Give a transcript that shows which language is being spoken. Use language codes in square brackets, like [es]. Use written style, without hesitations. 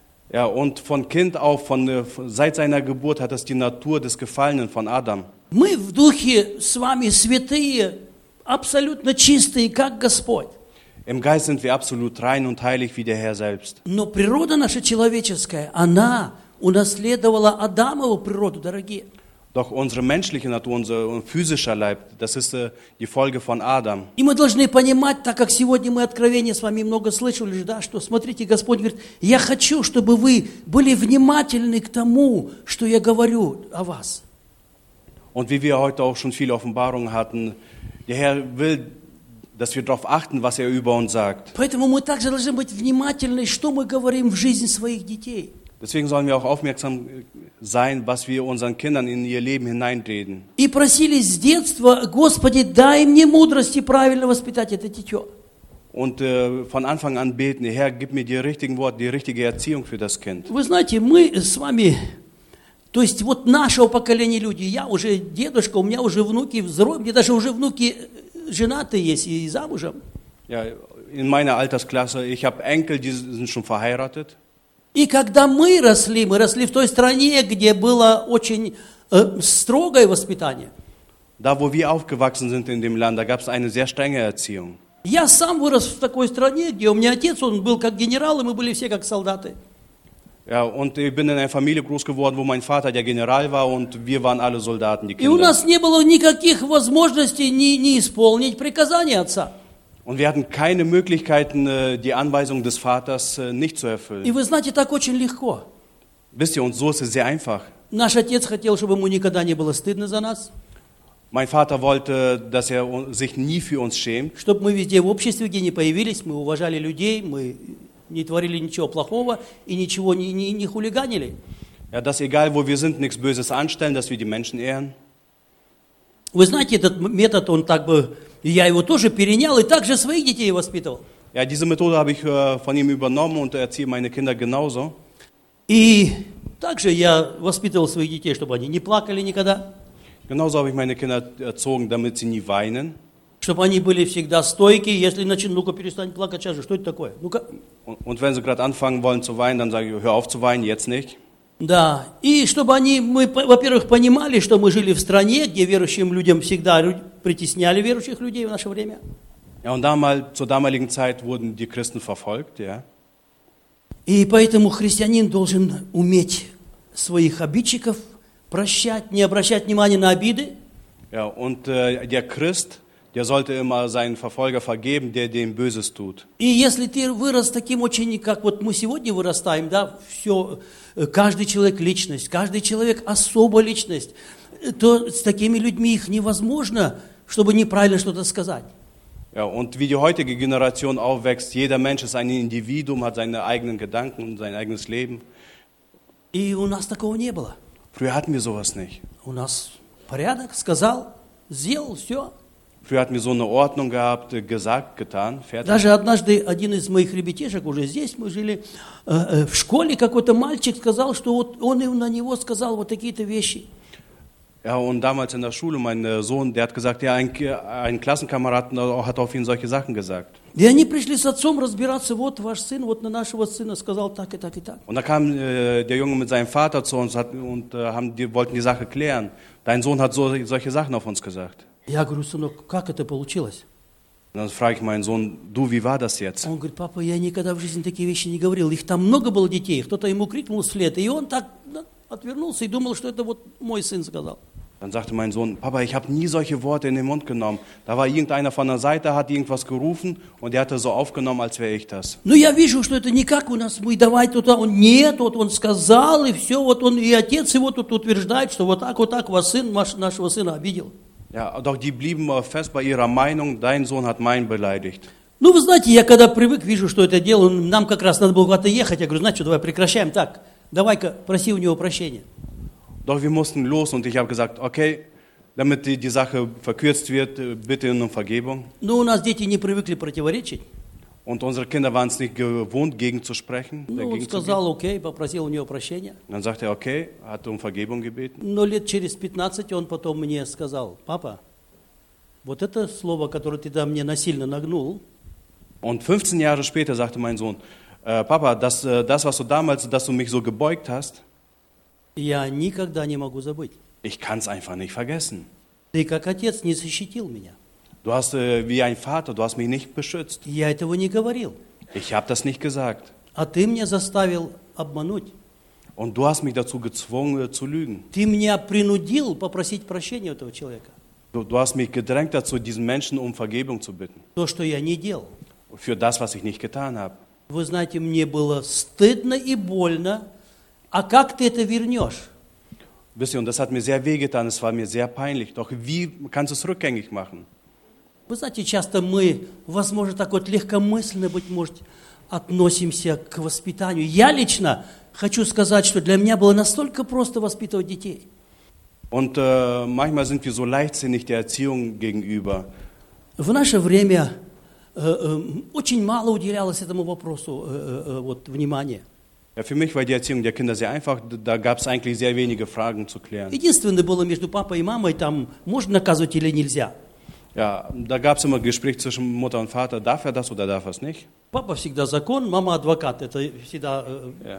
[de] Ja, und von Kind auf, seit seiner Geburt hat es die Natur des Gefallenen von Adam. [ru] Мы в духе с вами святые, абсолютно чистые, как Господь. [de] Im Geist sind wir absolut rein und heilig wie der Herr selbst. [ru] Но природа наша человеческая, она унаследовала Адамову природу, дорогие. [de] Doch unsere menschliche Natur, unser physischer Leib, das ist die Folge von Adam. [ru] И мы должны понимать, так как сегодня мы откровение с вами много слышали, да, что смотрите, Господь говорит: "Я хочу, чтобы вы были внимательны к тому, что я говорю о вас". [de] Und wie wir heute auch schon viele Offenbarungen hatten, der Herr will, dass wir darauf achten, was er über uns sagt. [ru] Поэтому мы также должны быть внимательны, что мы говорим в жизни своих детей. [de] Deswegen sollen wir auch aufmerksam sein, was wir unseren Kindern in ihr Leben hineinreden. [ru] И просили с детства: "Господи, дай мне мудрости правильно воспитать это дитё". [de] Und von Anfang an beten: "Herr, gib mir die richtigen Worte, die richtige Erziehung für das Kind". [ru] Вы знаете, мы с вами, то есть вот нашего поколения люди, я уже дедушка, у меня уже внуки, взрослые, мне даже уже внуки женаты есть и замужем. [de] Ja, in meiner Altersklasse, ich habe Enkel, die sind schon verheiratet. [ru] И когда мы росли в той стране, где было очень строгое воспитание. [de] Da, wo wir aufgewachsen sind in dem Land, da gab es eine sehr strenge Erziehung. [ru] Я сам вырос в такой стране, где у меня отец, он был как генерал, и мы были все как солдаты. [de] Ja, und ich bin in einer Familie groß geworden, wo mein Vater der General war und wir waren alle Soldaten, die Kinder. [ru] И у нас не было никаких возможностей не исполнить приказания отца. [de] Und wir hatten keine Möglichkeiten, die Anweisung des Vaters nicht zu erfüllen. [ru] И вы знаете, так очень легко. [de] Wisst ihr, und so ist es sehr einfach. [ru] Наш отец хотел, чтобы ему никогда не было стыдно за нас. [de] Mein Vater wollte, dass er sich nie für uns schämt. [ru] Чтобы мы везде в обществе, где не появились, мы уважали людей, мы не творили ничего плохого и ничего не хулиганили. [de] Ja, dass egal, wo wir sind, nichts Böses anstellen, dass wir die Menschen ehren. [ru] Вы знаете, этот метод, он так бы, я его тоже перенял и также своих детей воспитывал. [de] Ja, diese Methode habe ich von ihm übernommen und erziehe meine Kinder genauso. [ru] И также я воспитывал своих детей, чтобы они не плакали никогда. [de] Genauso habe ich meine Kinder erzogen, damit sie nie weinen. [ru] Чтобы они были всегда стойки, если начнут, ну-ка перестань плакать сейчас же, что это такое, ну-ка. [de] Und wenn sie gerade anfangen wollen zu weinen, dann sage ich, hör auf zu weinen, jetzt nicht. [ru] Да, и чтобы они, мы, во-первых, понимали, что мы жили в стране, где верующим людям всегда притесняли верующих людей в наше время. [de] Ja, und damals, zur damaligen Zeit wurden die Christen verfolgt, ja. [ru] И поэтому христианин должен уметь своих обидчиков прощать, не обращать внимания на обиды. [de] Ja, und der Christ, der sollte immer seinen Verfolger vergeben, der dem Böses tut. [ru] И если ты вырос таким очень, как вот мы сегодня вырастаем, да, все... Каждый человек личность, каждый человек особая личность. То с такими людьми их невозможно, чтобы неправильно что-то сказать. [de] Ja, und wie die heutige Generation aufwächst, jeder Mensch ist ein Individuum, hat seine eigenen Gedanken und sein eigenes Leben. [ru] И у нас такого не было. [de] Früher hatten wir sowas nicht. [ru] У нас порядок, сказал, сделал, все. [de] Früher hatten wir so eine Ordnung gehabt, gesagt, getan, fertig. [ru] Даже однажды один из моих ребятишек, уже здесь мы жили, в школе какой-то мальчик сказал, что вот он на него сказал вот такие-то вещи. [de] Ja, und damals in der Schule, mein Sohn, der hat gesagt, ja, ein Klassenkamerad hat auf ihn solche Sachen gesagt. [ru] И они пришли с отцом разбираться, вот ваш сын, вот на нашего сына сказал так и так и так. [de] Und dann kam der Junge mit seinem Vater zu uns und wollten die Sache klären. Dein Sohn hat solche Sachen auf uns gesagt. [ru] Я говорю: "Сынок, как это получилось?" [de] Dann frage ich meinen Sohn: "Du, wie war das jetzt?" [ru] Он говорит: "Папа, я никогда в жизни такие вещи не говорил. Их там много было детей. Кто-то ему крикнул вслед, и он так отвернулся и думал, что это вот мой сын сказал." [de] Dann sagte mein Sohn: "Papa, ich habe nie solche Worte in den Mund genommen. Da war irgendeiner von der Seite, hat irgendwas gerufen und er hat das so aufgenommen, als wäre ich das." [ru] Ну я вижу, что это никак у нас мы давай туда. Он нет, вот он сказал и все, вот он и отец его тут утверждает, что вот так вас сын нашего сына обидел. [de] Ja, doch die blieben fest bei ihrer Meinung, dein Sohn hat meinen beleidigt. [ru] Ну, вы знаете, я когда привык, вижу, что это дело, нам как раз надо было куда-то ехать, я говорю: "Знаешь что, давай прекращаем, так, давай-ка, проси у него прощения." [de] Doch wir mussten los und ich habe gesagt, okay, damit die Sache verkürzt wird, bitte um Vergebung. [ru] Ну, у нас дети не привыкли противоречить. [de] Und unsere Kinder waren es nicht gewohnt, gegenzusprechen. [ru] Ну, он сказал, okay, попросил у него прощения. [de] Dann sagte er, okay, hat Vergebung gebeten. [ru] Но лет через 15 он потом мне сказал: "Папа, вот это слово, которое ты там мне насильно нагнул." [de] Und 15 Jahre später sagte mein Sohn: Papa, das, was du damals, dass du mich so gebeugt hast, [ru] я никогда не могу забыть. [de] Ich kann's einfach nicht vergessen. [ru] Ты как отец не защитил меня. [de] Du hast wie ein Vater, du hast mich nicht beschützt. [ru] Я этого не говорил. [de] Ich habe das nicht gesagt. [ru] А ты меня заставил обмануть. [de] Und du hast mich dazu gezwungen zu lügen. [ru] Ты меня принудил попросить прощения этого человека. [de] Du hast mich gedrängt dazu, diesen Menschen um Vergebung zu bitten. [ru] То, что я не делал. [de] Für das, was ich nicht getan habe. [ru] Вы знаете, мне было стыдно и больно. А как ты это вернешь? [de] Wisst ihr, und das hat mir sehr wehgetan, es war mir sehr peinlich. Doch wie kannst du es rückgängig machen? [ru] Вы знаете, часто мы, возможно, так вот легкомысленно, быть может, относимся к воспитанию. Я лично хочу сказать, что для меня было настолько просто воспитывать детей. [de] Und manchmal sind wir so leichtsinnig der Erziehung gegenüber. [ru] В наше время очень мало уделялось этому вопросу вот внимания. [de] Ja, für mich war die Erziehung der Kinder sehr einfach. Da gab es eigentlich sehr wenige Fragen zu klären. [ru] Единственное было между папой и мамой там можно наказывать или нельзя. [de] Ja, da gab es immer Gespräche zwischen Mutter und Vater. Darf er das oder darf er es nicht? [ru] Papa всегда закон, мама адвокат. Это всегда ja.